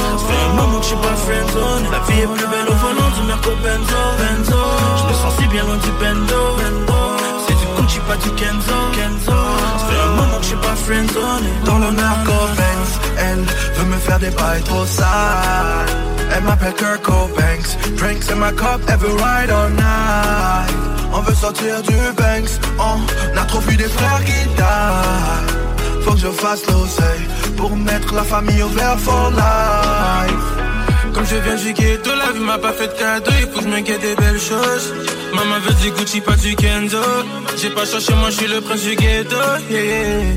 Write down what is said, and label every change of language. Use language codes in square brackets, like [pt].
[fr] Ça fait un moment que je suis pas friendzone. La vie est plus belle au volant du Merco Benzo, Benzo. Je me sens si bien loin du bendo, bendo. J'suis pas du Kenzo, Kenzo. Ça fait un moment que j'suis pas friendzone. Dans le Merco Benz, elle veut me faire des bails trop sales. Elle m'appelle Kirk Banks. [en] Drinks in my cup every ride all night. [fr] On veut sortir du Banks. On a trop vu des frères qui taillent. Faut que je fasse l'oseille pour mettre la famille au vert [en] for life. [fr] Comme je viens du ghetto, la vie m'a pas fait de cadeau. Il faut que je me guette des belles choses. Maman veut du Gucci, pas du Kenzo. J'ai pas cherché, moi j'suis le prince du ghetto, yeah.